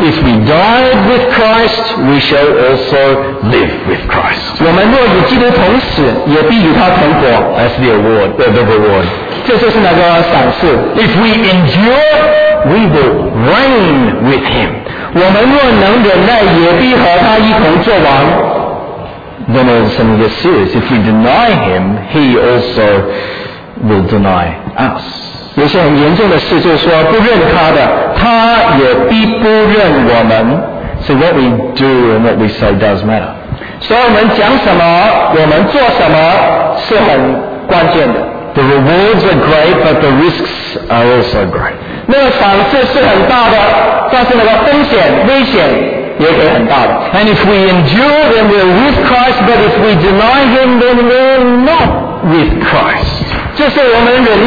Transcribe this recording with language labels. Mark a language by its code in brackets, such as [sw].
[en] If we died with Christ, we shall also live with Christ. [zh] 我们若与基督同死，也必与他同活。 [en] That's the award, the reward. [zh] 这就是那个赏赐。 [en] If we endure, we will reign with him. [zh] 我们若能忍耐，也必和他一同作王。 [en] Then all of a sudden gets serious. If we deny him, he also will deny us. [zh] 有些很严重的事就是说不认他的，他也必不认我们。 [en] So what we do and what we say does matter. [zh] 所以我们讲什么，我们做什么是很关键的。 [en] The rewards are great, but the risks are also great. [zh] 那个赏赐是很大的，但是那个风险危险也很大的。 [en] And if we endure, then we're with Christ, but if we deny him, then we're not with Christ.